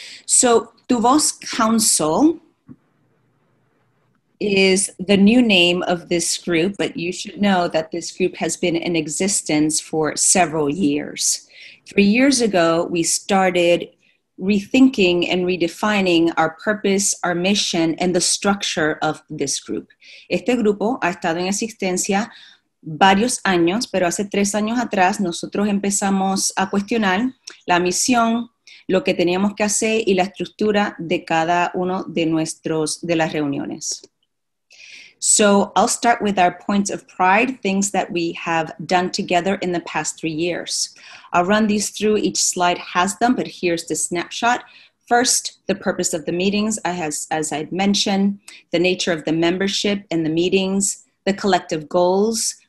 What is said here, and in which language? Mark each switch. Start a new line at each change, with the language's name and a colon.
English: So Duvos Council is the new name of this group, but you should know that this group has been in existence for several years. 3 years ago, we started rethinking and redefining our purpose, our mission, and the structure of this group.
Spanish: Este grupo ha estado en existencia varios años, pero hace 3 años atrás nosotros empezamos a cuestionar la misión, lo que teníamos que hacer y la estructura de cada uno de nuestros, de las reuniones.
English: So I'll start with our points of pride, things that we have done together in the past 3 years. I'll run these through, each slide has them, but here's the snapshot. First, the purpose of the meetings, as I'd mentioned, the nature of the membership and the meetings, the collective goals.